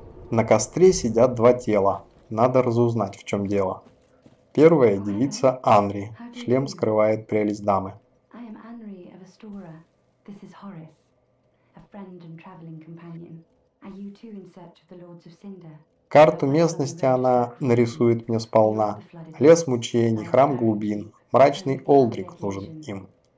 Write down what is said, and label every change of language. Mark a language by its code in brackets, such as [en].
[ru] На костре сидят два тела, надо разузнать, в чем дело. Первая девица Анри. Шлем скрывает прелесть дамы. [en] I am Anri of Astora. This is Horace, a friend and traveling companion. Are you too in search of the Lords of Cinder? [ru] Карту местности она нарисует мне сполна. Лес мучений, храм глубин. Мрачный Олдрик нужен им.